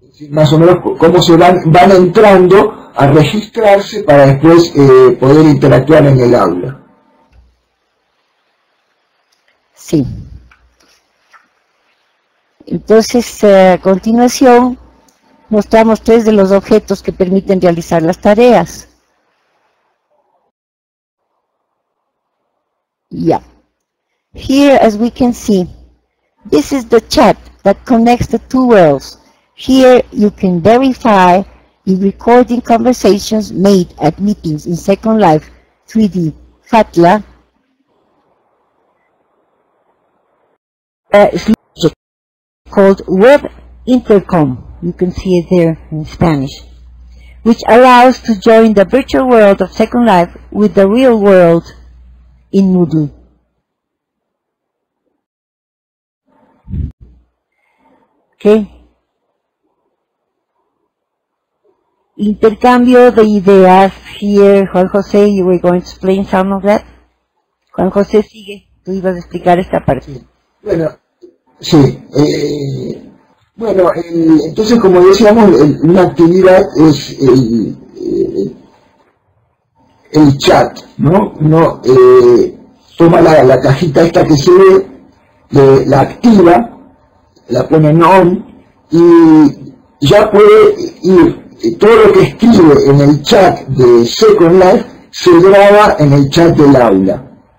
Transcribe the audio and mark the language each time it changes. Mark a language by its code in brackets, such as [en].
[es] Más o menos cómo se van entrando a registrarse para después poder interactuar en el aula. Sí. Entonces, a continuación, mostramos tres de los objetos que permiten realizar las tareas. [en] Yeah. Here, as we can see, this is the chat that connects the two worlds. Here, you can verify in recording conversations made at meetings in Second Life 3D FATLA. Called Web Intercom, you can see it there in Spanish, which allows to join the virtual world of Second Life with the real world in Moodle. Okay. [es] Intercambio de ideas [en] here, Juan José, you were going to explain some of that. [es] Juan José, sigue, tú ibas a explicar esta parte. Bueno. Sí, bueno, entonces como decíamos, una actividad es el chat, ¿no? Uno toma la cajita esta que se ve, la activa, la pone en on, y ya puede ir, todo lo que escribe en el chat de Second Life se graba en el chat del aula.